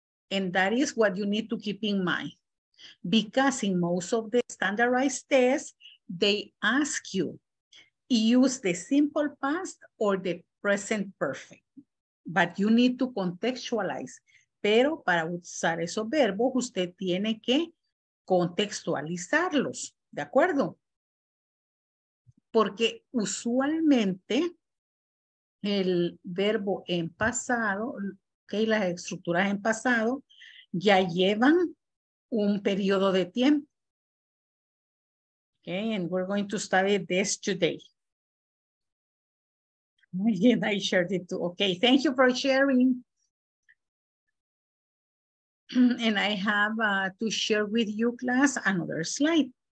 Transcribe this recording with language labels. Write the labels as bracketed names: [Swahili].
[English] And that is what you need to keep in mind. Because in most of the standardized tests, they ask you, use the simple past or the present perfect. but you need to contextualize. [Spanish] Pero para usar esos verbos, usted tiene que contextualizarlos, ¿de acuerdo? Porque usualmente el verbo en pasado, okay, las estructuras en pasado, ya llevan un periodo de tiempo. [English] Okay, and we're going to study this today. And I shared it too. Okay, thank you for sharing. And I have to share with you, class, another slide.